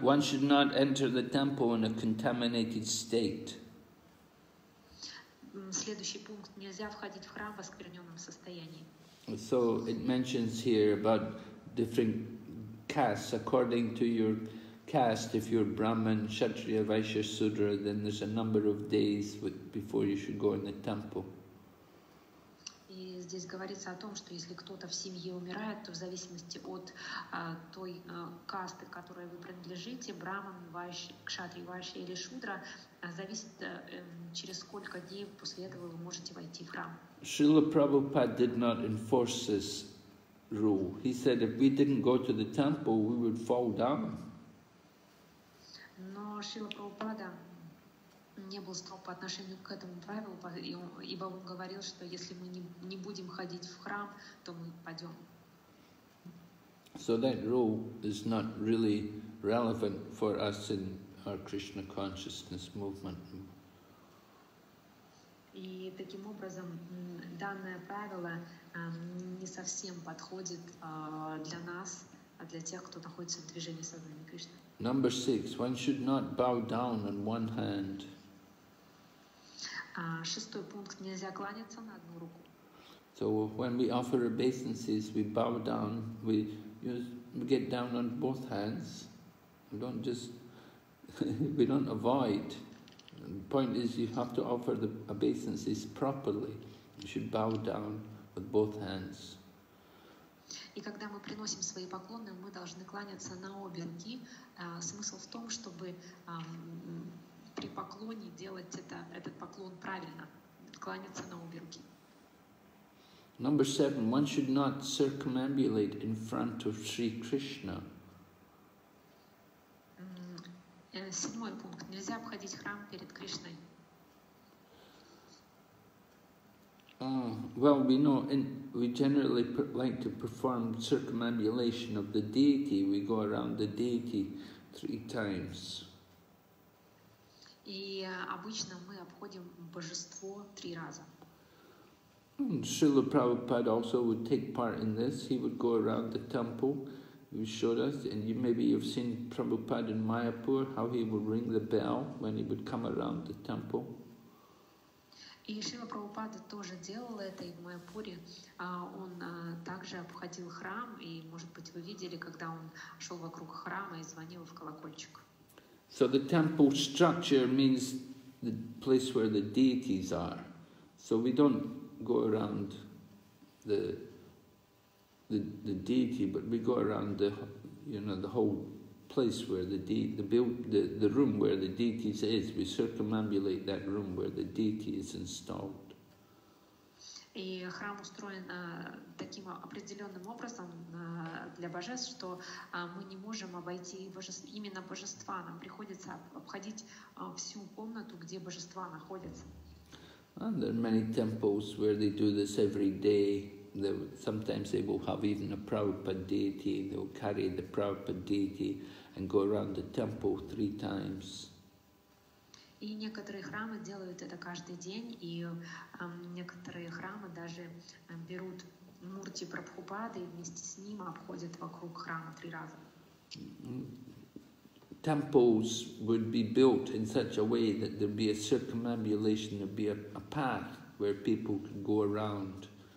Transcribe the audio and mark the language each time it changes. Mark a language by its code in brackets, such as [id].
[en] One should not enter the temple in a contaminated state. [ru] Следующий пункт. Нельзя входить в храм в оскверненном состоянии. [en] So it mentions here about different castes. According to your caste, if you're Brahmin, Kshatriya, Vaishya, Sudra, then there's a number of days before you should go in the temple. [ru] И здесь говорится о том, что если кто-то в семье умирает, то в зависимости от той касты, которой вы принадлежите, Брахман, Кшатрия, Вайшья или Шудра, зависит, через сколько дней после этого вы можете войти в храм. [en] Srila Prabhupada did not enforce this rule. He said, if we didn't go to the temple, we would fall down. [ru] Но Шрила Прабхупада не был строг по отношению к этому правилу, ибо он говорил, что если мы не будем ходить в храм, то мы падем. [en] So that rule is not really relevant for us in our Krishna consciousness movement. [ru] И таким образом данное правило не совсем подходит для нас, а для тех, кто находится в движении сознания Кришны. [en] Number six. One should not bow down on one hand. [ru] Шестой пункт. Нельзя кланяться на одну руку. [en] So when we offer obeisances, we bow down, we get down on both hands. We don't just we don't avoid. The point is, you have to offer the obeisances properly. You should bow down with both hands. [ru] И когда мы приносим свои поклоны, мы должны кланяться на обе руки. Смысл в том, чтобы при поклоне делать этот поклон правильно, кланяться на обе руки. [en] Number seven. One should not circumambulate in front of Sri Krishna. [ru] Седьмой пункт. Нельзя обходить храм перед Кришной. [en] Well, we know, and we generally like to perform circumambulation of the deity. We go around the deity three times. [ru] И обычно мы обходим божество три раза. [en] Srila Prabhupada also would take part in this. He would go around the temple. You showed us, and maybe you've seen Prabhupada in Mayapur, how he would ring the bell when he would come around the temple. [ru] И Шрила Прабхупада тоже делал это, и в Майяпуре он также обходил храм, и, может быть, вы видели, когда он шел вокруг храма и звонил в колокольчик. [en] So the temple structure means the place where the deities are. So we don't go around the deity, but we go around the, you know, the whole place where the room where the deity is. We circumambulate that room where the deity is installed. [ru] И храм устроен таким определенным образом для божеств, что мы не можем обойти именно божества. Нам приходится обходить всю комнату, где божества находятся. [en] And there are many temples where they do this every day. Sometimes they will have even a Prabhupada deity, they will carry the Prabhupada deity and go around the temple three times. [ru] И некоторые храмы делают это каждый день, и некоторые храмы даже берут мурти Прабхупады и вместе с ним обходят вокруг храма три раза. [en] Temples would be built in such a way that there'd be a circumambulation, there'd be a path where people could go around.